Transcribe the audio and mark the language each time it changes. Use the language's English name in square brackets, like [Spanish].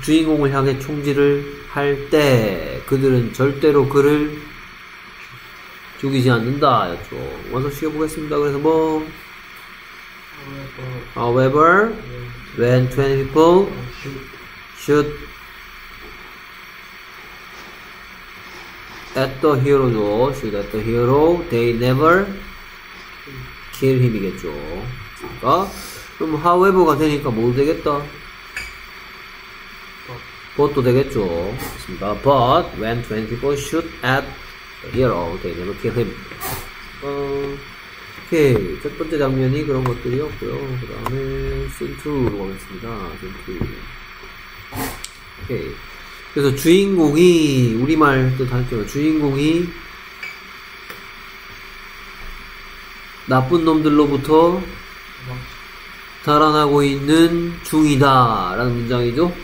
[Korean] 주인공을 향해 총질을 할 때 그들은 절대로 그를 죽이지 않는다 였죠. 완성시켜보겠습니다. 그래서 뭐 [English] However, when 20 people shoot at the hero, shoot at the hero, they never kill him 이겠죠. [Korean] 그러니까 그럼 however가 되니까 뭐 되겠다? But도 되겠죠. 그렇습니다. [English] But when 20 people shoot at the hero, they never kill him. [Korean] 오케이. 첫 번째 장면이 그런 것들이었고요. 그 다음에 씬2로 가겠습니다. 씬2. 오케이. 그래서 주인공이, 우리말 또 다르죠. 주인공이 나쁜 놈들로부터 달아나고 있는 중이다 라는 문장이죠.